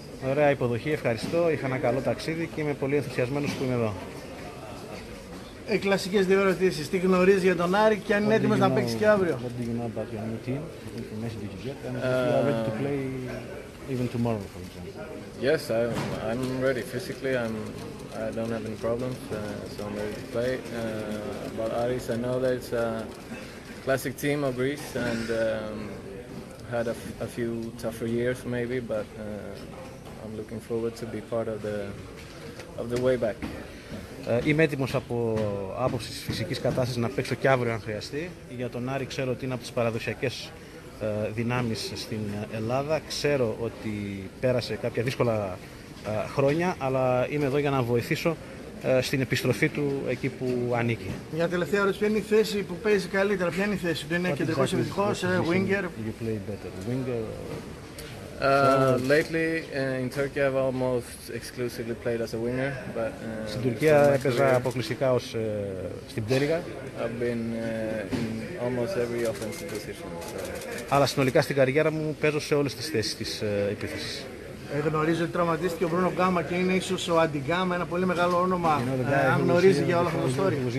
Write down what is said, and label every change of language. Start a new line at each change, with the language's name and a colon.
Greek: Ωραία υποδοχή, ευχαριστώ, είχα ένα καλό ταξίδι και είμαι πολύ ενθουσιασμένος που είμαι εδώ. Κλασικές δύο ερωτήσεις. Τι γνωρίζεις για τον Άρη και αν είναι έτοιμος να παίξεις και αύριο.
English: What do you know about your new team? Message you get. And if you are ready to play even tomorrow, for example. Yes, I'm ready physically. I don't have any problems, so I'm ready to play. About Aris, I know that it's a classic team of Greece and had a few tougher years maybe, but I'm looking forward to be part of the way back.
Greek: Είμαι έτοιμος από άποψη της φυσικής κατάστασης να παίξω και αύριο αν χρειαστεί. Για τον Άρη ξέρω ότι είναι από τις παραδοσιακές δυνάμεις στην Ελλάδα. Ξέρω ότι πέρασε κάποια δύσκολα χρόνια, αλλά είμαι εδώ για να βοηθήσω στην επιστροφή του εκεί που ανήκει. Μια τελευταία ερώτηση, ποια είναι η θέση που παίζει καλύτερα, ποια είναι η θέση που είναι κεντρικός, επιθετικός, winger.
English: You play better, winger. Lately in Turkey I've almost exclusively played as a winger, but
Greek: στην Τουρκία έπαιζα αποκλειστικά ως στην πτέρυγα.
English: I've been in almost every offensive position.
Greek: Αλλά συνολικά στην καριέρα μου παίζω σε όλες τις θέσεις της επίθεσης. Γνωρίζω ότι τραυματίστηκε ο Μπρούνο Γκάμα και είναι ίσως ο Αντιγκάμα, ένα πολύ μεγάλο όνομα. Αν γνωρίζει για όλο αυτό το story.